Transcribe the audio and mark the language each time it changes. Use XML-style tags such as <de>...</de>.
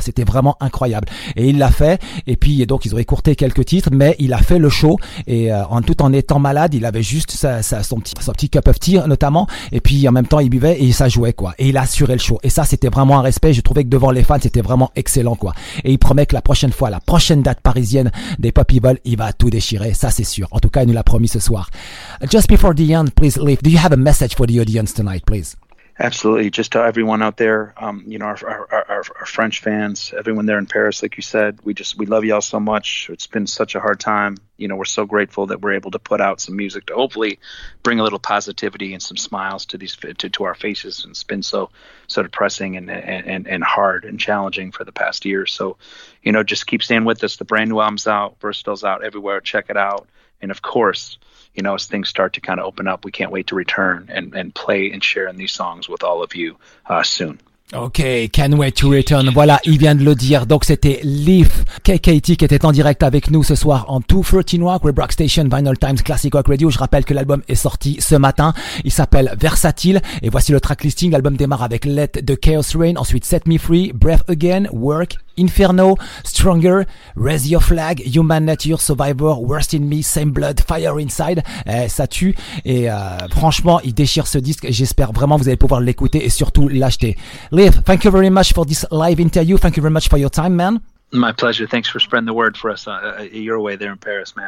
<fr>C'était vraiment incroyable. Et il l'a fait. Et puis, et donc, ils ont écourté quelques titres, mais il a fait le show et tout en étant malade, il avait juste son petit</fr> <en>cup of tea,</en> <fr>notamment. Et puis, en même temps, il buvait. Et ça jouait quoi, et il assurait le show, et ça c'était vraiment un respect. Je trouvais que devant les fans c'était vraiment excellent quoi, et il promet que la prochaine fois, la prochaine date parisienne des Pop Evil, il va tout déchirer, ça c'est sûr. En tout cas, il nous l'a promis ce soir.</fr> <en>Just before the end, please leave, do you have a message for the audience tonight, please? Absolutely, just to everyone out there, you know, our French fans, everyone there in Paris, like you said, we love y'all so much. It's been such a hard time. You know, we're so grateful that we're able to put out some music to hopefully bring a little positivity and some smiles to these to our faces. And it's been so depressing and hard and challenging for the past year. So, you know, just keep staying with us. The brand new album's out, Versatile's out everywhere. Check it out, and of course, you know, as things start to kind of open up, we can't wait to return and play and share in these songs with all of you soon.</en> <fr>Ok,</fr> <en>can't wait to return.</en> <fr>Voilà, il vient de le dire. Donc c'était Leaf, KKT qui était en direct avec nous ce soir en 213 Rock, Rebrock Station, Vinyl Times, Classic Rock Radio. Je rappelle que l'album est sorti ce matin. Il s'appelle Versatile. Et voici le track listing. L'album démarre avec Let the Chaos Reign, ensuite Set Me Free, Breath Again, Work, Inferno, Stronger, Raise Your Flag, Human Nature, Survivor, Worst in Me, Same Blood, Fire Inside. Ça tue. Et franchement, il déchire ce disque. J'espère vraiment que vous allez pouvoir l'écouter et surtout l'acheter.</fr> <en>Leaf, thank you very much for this live interview. Thank you very much for your time, man. My pleasure. Thanks for spreading the word for us your way there in Paris, man.</en>